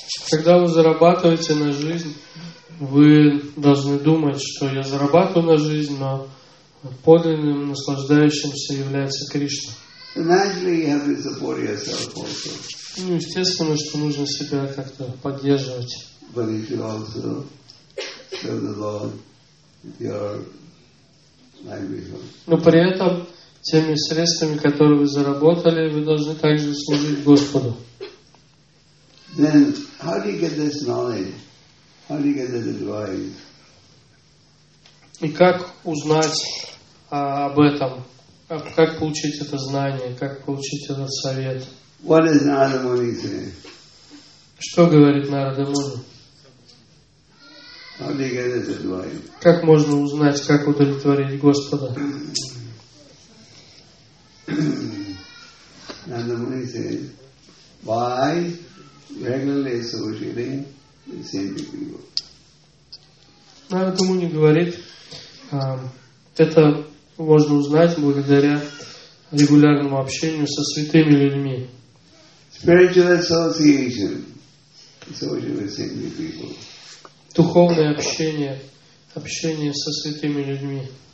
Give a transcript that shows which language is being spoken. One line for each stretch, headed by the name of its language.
Russian: Когда вы зарабатываете на жизнь, вы должны думать, что я зарабатываю на жизнь, но подлинным наслаждающимся является Кришна. Ну, естественно, что нужно себя как-то поддерживать.
English: But if you also serve the Lord, your livelihood.
Russian: Но при этом теми средствами, которые вы заработали, вы должны также служить Господу.
English: Then how do you get this knowledge? How do you get that advice?
Russian: И как узнать об этом? Как получить это знание? Как получить этот совет?
English: What is Narada Muni saying?
Russian: Что говорит Нарада Муни?
English: How do you get this advice?
Russian: Как можно узнать, как удовлетворить Господа?
English: Нарада Муни says, by regularly associating with saintly people.
Russian: Нарада Муни говорит, это можно узнать благодаря регулярному общению со святыми людьми.
English: Spiritual association, association with saintly people.
Russian: Духовное общение, общение со святыми людьми.